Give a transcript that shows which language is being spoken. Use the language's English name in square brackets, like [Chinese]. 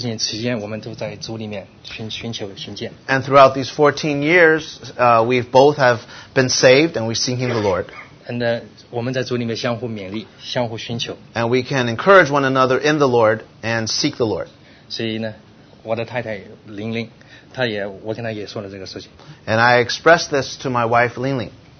[Chinese] 然而我们就感谢主，我们都因此都得救了。在这14年期间，我们都在主里面寻求寻见。 [English] And throughout these 14 years, we both have been saved and we're seeking the Lord. And [Chinese] 我们在主里面相互勉励，相互寻求。 [English] And we can encourage one another in the Lord and seek the Lord. [Chinese] 所以呢，我的太太玲玲，她也，我跟她也说了这个事情。 [English] And I expressed this to my wife Lingling.